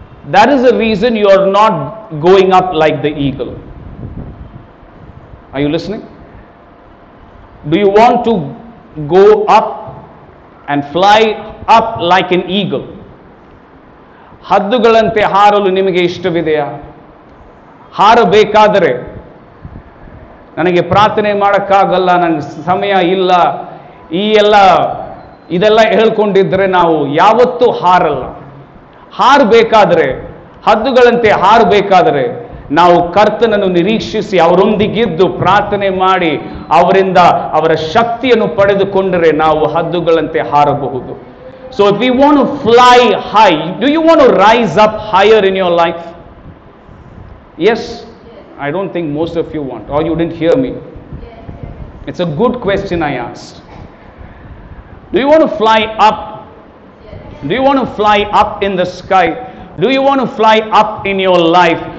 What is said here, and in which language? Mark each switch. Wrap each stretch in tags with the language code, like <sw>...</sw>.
<en>That is the reason you are not going up like the eagle. Are you listening? Do you want to go up and fly up like an eagle?</en> <kn>Haddugalante haralu nimage ishtavideya? ಹಾರಬೇಕಾದರೆ ನನಗೆ ಪ್ರಾರ್ಥನೆ ಮಾಡೋಕ್ಕಾಗಲ್ಲ, ನನಗೆ ಸಮಯ ಇಲ್ಲ, ಈ ಎಲ್ಲ ಇದೆಲ್ಲ ಹೇಳ್ಕೊಂಡಿದ್ರೆ ನಾವು ಯಾವತ್ತೂ ಹಾರಲ್ಲ. ಹಾರಬೇಕಾದರೆ, ಹದ್ದುಗಳಂತೆ ಹಾರಬೇಕಾದರೆ ನಾವು ಕರ್ತನನ್ನು ನಿರೀಕ್ಷಿಸಿ ಅವರೊಂದಿಗಿದ್ದು ಪ್ರಾರ್ಥನೆ ಮಾಡಿ ಅವರಿಂದ ಅವರ ಶಕ್ತಿಯನ್ನು ಪಡೆದುಕೊಂಡರೆ ನಾವು ಹದ್ದುಗಳಂತೆ ಹಾರಬಹುದು.</kn> <en>So if you want to fly high, do you want to rise up higher in your life? Yes, I don't think most of you want, or you didn't hear me. It's a good question I asked. Do you want to fly up? Do you want to fly up in the sky? Do you want to fly up in your life?</en>